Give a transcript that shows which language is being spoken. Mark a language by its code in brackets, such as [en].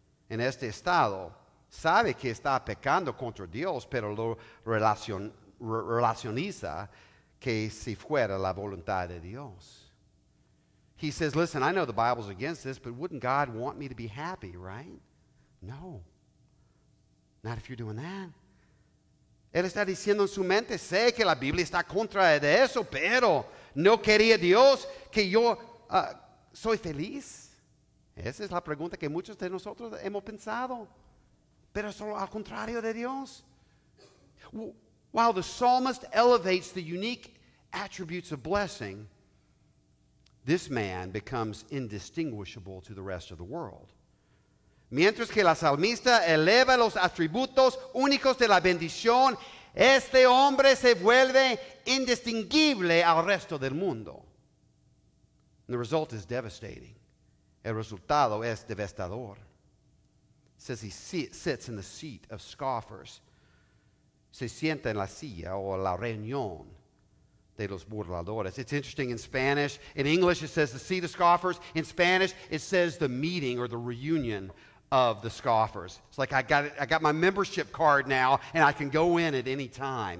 [es] En este estado, sabe que está pecando contra Dios, pero lo relacioniza que si fuera la voluntad de Dios. [en] He says, listen, I know the Bible's against this, but wouldn't God want me to be happy, right? No. Not if you're doing that. [es] Él está diciendo en su mente, sé que la Biblia está contra de eso, pero no quería Dios que yo soy feliz. Esa es la pregunta que muchos de nosotros hemos pensado. Pero solo al contrario de Dios. [en] While the psalmist elevates the unique attributes of blessing, this man becomes indistinguishable to the rest of the world. [es] Mientras que la salmista eleva los atributos únicos de la bendición, este hombre se vuelve indistinguible al resto del mundo. [en] And the result is devastating. [es] El resultado es devastador. [en] It says he sits in the seat of scoffers. [es] Se sienta en la silla o la reunión de los burladores. [en] It's interesting in Spanish. In English, it says the seat of scoffers. In Spanish, it says the meeting or the reunion of the scoffers. It's like I got my membership card now, and I can go in at any time.